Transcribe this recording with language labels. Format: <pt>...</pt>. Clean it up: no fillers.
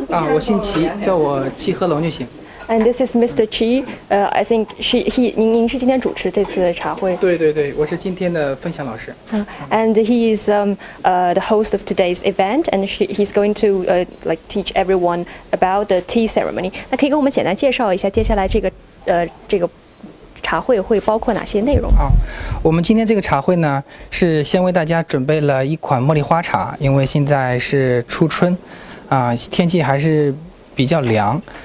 <zh>啊, 我姓齐, 叫我齐和龙就行。</zh> <en>And this is Mr. Qi. I think he</en> <zh>您是今天主持这次茶会。对对对, 我是今天的分享老师。</zh> <en>And he is the host of today's event, and he's going to like teach everyone about the tea ceremony.</en> <zh>那可以给我们简单介绍一下接下来这个茶会会包括哪些内容？好，我们今天这个茶会呢是先为大家准备了一款茉莉花茶，因为现在是初春，天气还是比较凉。</zh>